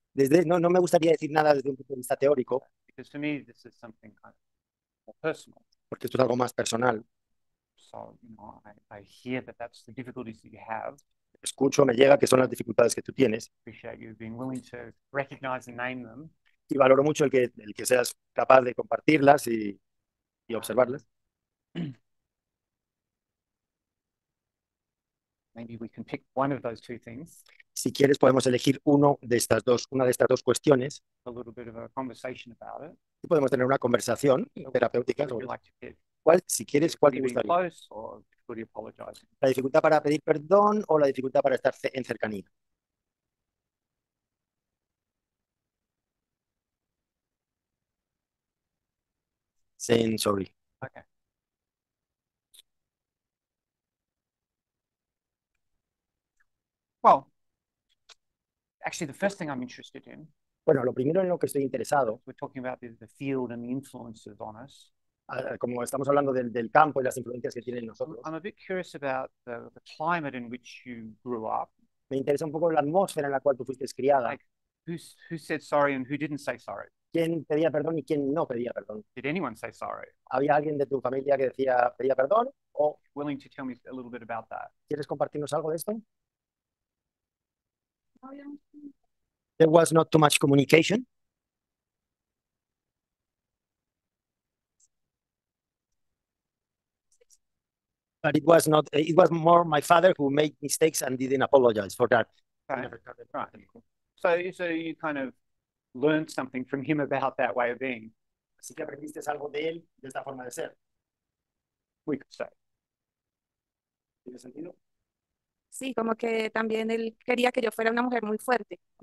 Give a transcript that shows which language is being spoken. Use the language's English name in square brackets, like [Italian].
[Spanish] No me gustaría decir nada desde un punto de vista teórico. [English] Because for me, this is something kind of more personal. [Spanish] Porque esto es algo más personal. [English] So, you know, I hear that that's the difficulties that you have. [Spanish] Escucho, me llega que son las dificultades que tú tienes. [English] Appreciate you being willing to recognize and name them. [Spanish] Y valoro mucho el que seas capaz de compartirlas y observarlas. [English] Maybe we can pick one of those two things. [Spanish] Si quieres, podemos elegir una de estas dos cuestiones. [English] A little bit of a conversation about it. [Spanish] Y podemos tener una conversación terapéutica. [English] Would you like to pick? [Spanish] ¿Cuál, si quieres, cuál te gustaría? [English] Close or difficulty apologizing? [Spanish] ¿La dificultad para pedir perdón o la dificultad para estar en cercanía? [English] Saying sorry. Okay. Well, actually, the first thing I'm interested in. [Spanish] Bueno, lo primero en lo que estoy interesado. [English] We're talking about the field and the influences on us. [Spanish] Como estamos hablando del campo y las influencias que tienen nosotros. [English] I'm a bit curious about the climate in which you grew up. [Spanish] Me interesa un poco la atmósfera en la cual tú fuiste criada. [English] Like, who said sorry and who didn't say sorry? [Spanish] ¿Quién pedía perdón y quién no pedía perdón? [English] Did anyone say sorry? [Spanish] ¿Había alguien de tu familia que decía pedía perdón? ¿O [English] willing to tell me a little bit about that? [Spanish] ¿Quieres compartirnos algo de esto? [English] There was not too much communication. But it was not, it was more my father who made mistakes and didn't apologize for that. Okay. Right. So you kind of learned something from him about that way of being. [Spanish] Así que aprendiste algo de él, de esta forma de ser. [English] We could say. [Spanish] ¿Tiene sentido? Sí, como que también él quería que yo fuera una mujer muy fuerte.